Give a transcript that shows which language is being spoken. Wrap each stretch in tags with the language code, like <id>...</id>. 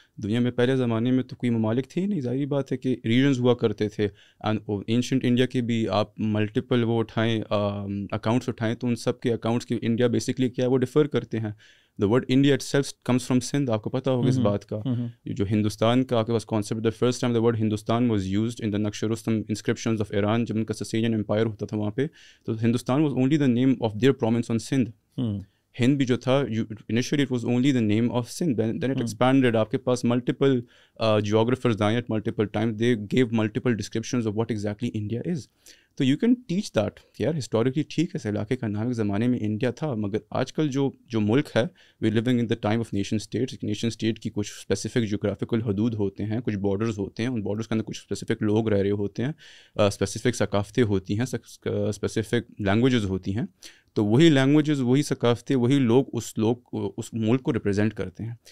<ur>دنیا میں پہلے زمانے میں تو کوئی ممالک تھے نہیں, ظاہری بات ہے کہ ریجنز ہوا کرتے تھے. اینڈ اینشنٹ انڈیا کے بھی آپ ملٹیپل وہ اٹھائیں, اکاؤنٹس اٹھائیں, تو ان سب کے اکاؤنٹس کے انڈیا بیسکلی کیا ہے وہ ڈیفر کرتے ہیں.</ur> <en>The word India itself comes from Sindh,</en> <ur>آپ کو پتا ہوگا اس بات کا. جو ہندوستان کا آپ کے پاس concept,</ur> <en>the first time the word Hindustan was used in the Naqsh Rustam inscriptions of Iran,</en> <ur>جب ان کا سسینین امپائر ہوتا تھا وہاں پہ,</ur> <en>تو Hindustan was only the name of their prominence on Sindh.</en> <ur>ہند بھی جو تھا</ur> <en>Initially it was only the name of Sindh, then it expanded.</en> <ur>آپ کے پاس ملٹیپل جیوگرافرز آئے</ur> <en>At multiple times, they gave multiple descriptions of what exactly India is. تو you can teach that</en> <ur>یار historically ٹھیک ہے اس علاقے کا نام ایک زمانے میں انڈیا تھا, مگر آج کل جو ملک ہے,</ur> <en>we living in the time of nation states,</en> <ur>nation state کی کچھ اسپیسیفک جیوگرافیکل حدود ہوتے ہیں, کچھ بارڈرز ہوتے ہیں, ان بارڈرز کے اندر کچھ اسپیسیفک لوگ رہ رہے ہوتے ہیں, اسپیسیفک ثقافتیں ہوتی ہیں, اسپیسیفک لینگویجز ہوتی ہیں, تو وہی لینگویجز, وہی ثقافتیں, وہی لوگ اس ملک کو ریپرزینٹ کرتے ہیں.</ur>